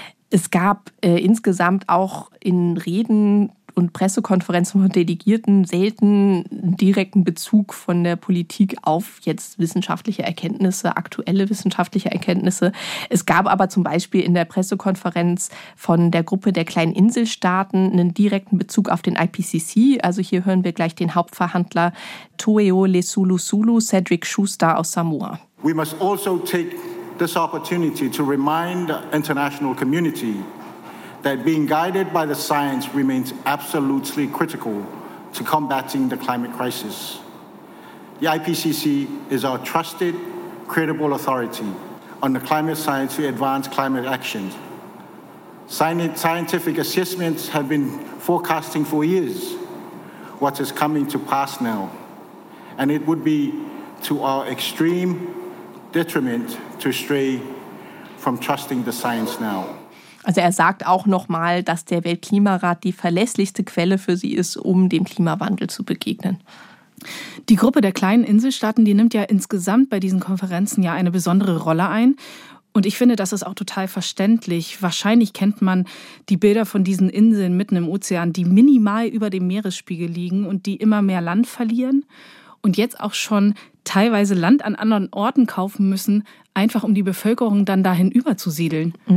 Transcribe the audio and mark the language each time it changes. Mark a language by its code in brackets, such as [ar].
[de] Es gab insgesamt auch in Reden und Pressekonferenzen von Delegierten selten einen direkten Bezug von der Politik auf jetzt wissenschaftliche Erkenntnisse, aktuelle wissenschaftliche Erkenntnisse. Es gab aber zum Beispiel in der Pressekonferenz von der Gruppe der kleinen Inselstaaten einen direkten Bezug auf den IPCC. Also hier hören wir gleich den Hauptverhandler Toeo Lesulusulu, Cedric Schuster aus Samoa. [en] We must also take this opportunity to remind the international community that being guided by the science remains absolutely critical to combating the climate crisis. The IPCC is our trusted, credible authority on the climate science to advance climate action. Scientific assessments have been forecasting for years what is coming to pass now, and it would be to our extreme detriment to stray from trusting the science now. [de] Also er sagt auch nochmal, dass der Weltklimarat die verlässlichste Quelle für sie ist, um dem Klimawandel zu begegnen. Die Gruppe der kleinen Inselstaaten, die nimmt ja insgesamt bei diesen Konferenzen ja eine besondere Rolle ein. Und ich finde, das ist auch total verständlich. Wahrscheinlich kennt man die Bilder von diesen Inseln mitten im Ozean, die minimal über dem Meeresspiegel liegen und die immer mehr Land verlieren und jetzt auch schon teilweise Land an anderen Orten kaufen müssen, einfach um die Bevölkerung dann dahin überzusiedeln.